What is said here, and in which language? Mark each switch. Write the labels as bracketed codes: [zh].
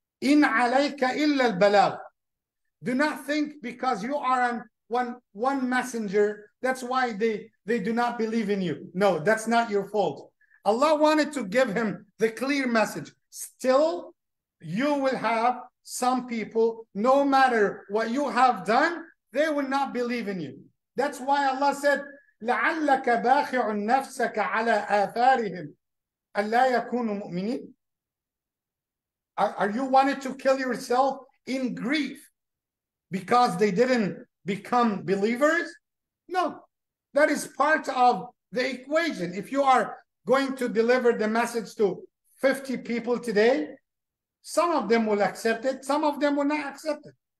[ar] In alayka illa al-balagh. [en] Do not think because you are one messenger, that's why they do not believe in you. No, that's not your fault. Allah wanted to give him the clear message. Still, you will have some people, no matter what you have done, they will not believe in you. That's why Allah said, [ar] لَعَلَّكَ بَاخِعٌ نَفْسَكَ عَلَىٰ آثَارِهِمْ أَلَّا يَكُونُ مُؤْمِنِينَ. [en] Are you wanted to kill yourself in grief because they didn't become believers? No, that is part of the equation. If you are going to deliver the message to 50 people today, some of them will accept it, some of them will not accept it.